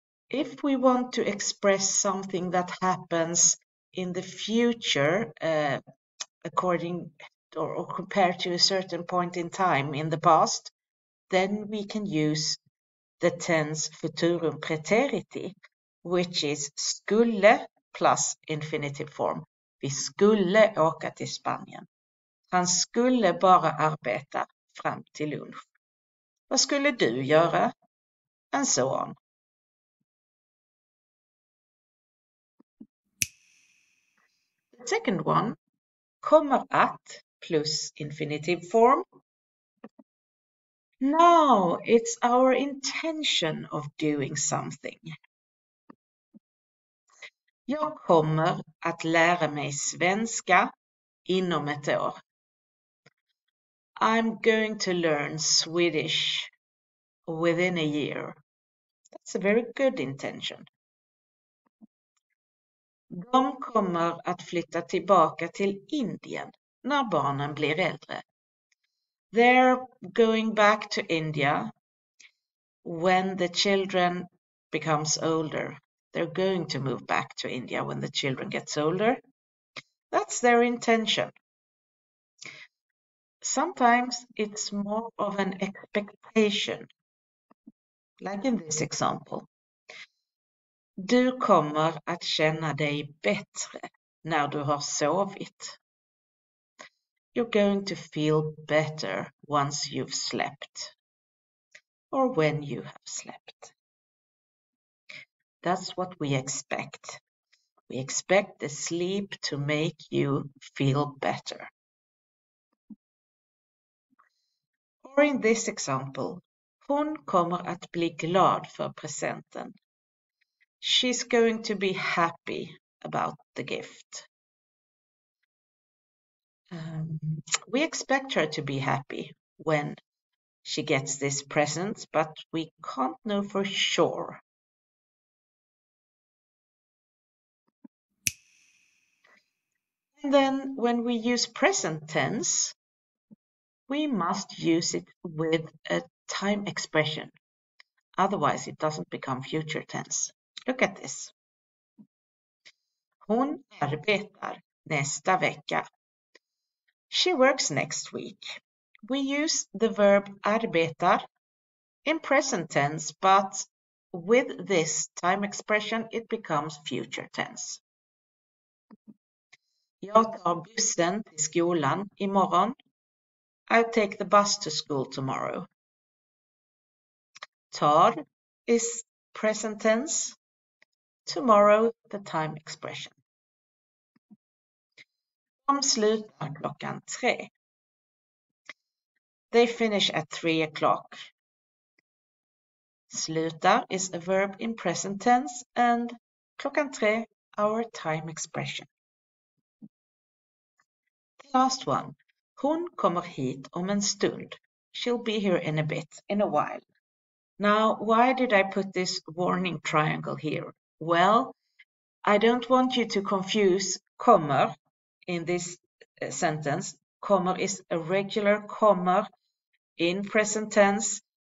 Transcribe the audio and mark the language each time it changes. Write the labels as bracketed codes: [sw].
[en] If we want to express something that happens in the future, according or compared to a certain point in time in the past, then we can use the tense futurum preteriti, which is skulle plus infinitive form. [sv] Vi skulle åka till Spanien. Han skulle bara arbeta fram till lunch. Vad skulle du göra? [en] And so on. Second one, kommer att plus infinitive form. Now it's our intention of doing something. [sv] Jag kommer att lära mig svenska inom ett år. [en] I'm going to learn Swedish within a year. That's a very good intention. [sv] De kommer att flytta tillbaka till Indien när barnen blir äldre. [en] They're going back to India when the children becomes older. They're going to move back to India when the children gets older. That's their intention. Sometimes it's more of an expectation, like in this example. [sv] Du kommer att känna dig bättre när du har sovit. [en] You're going to feel better once you've slept, or when you have slept. That's what we expect. We expect the sleep to make you feel better. Or in this example, [sv] hon kommer att bli glad för presenten. [en] She's going to be happy about the gift. We expect her to be happy when she gets this present, but we can't know for sure. And then when we use present tense, we must use it with a time expression. Otherwise, it doesn't become future tense. Look at this. [sv] Hon arbetar nästa vecka. [en] She works next week. We use the verb arbetar in present tense, but with this time expression, it becomes future tense. [sv] Jag tar bussen till skolan imorgon. [en] I'll take the bus to school tomorrow. Tar is present tense. Tomorrow, the time expression. [sv] De slutar klockan tre. [en] They finish at 3 o'clock. Sluta is a verb in present tense and klockan tre, our time expression. Last one. [sv] Hon kommer hit om en stund. [en] She'll be here in a bit, in a while. Now, why did I put this warning triangle here? Well, I don't want you to confuse kommer in this sentence. Kommer is a regular kommer in present tense.